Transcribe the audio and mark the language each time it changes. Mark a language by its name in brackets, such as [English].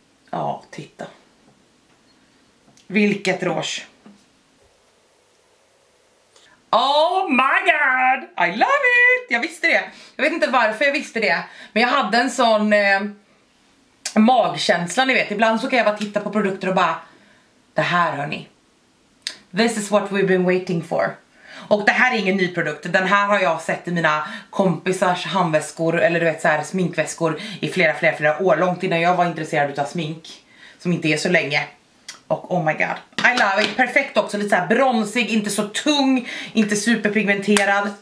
[Swedish] Ja, titta. Vilket rouge. [English] Oh my god. I love it. [Swedish] Jag visste det. Jag vet inte varför jag visste det. Men jag hade en sån magkänsla, ni vet. Ibland så kan jag bara titta på produkter och bara. Det här hörni. [English] This is what we've been waiting for. [Swedish] Och det här är ingen ny produkt. Den här har jag sett i mina kompisars handväskor eller du vet så här sminkväskor i flera år, långt innan jag var intresserad av smink som inte är så länge. Och [English] oh my god, I love it. [Swedish] Perfekt också, lite så här bronsig, inte så tung, inte superpigmenterad.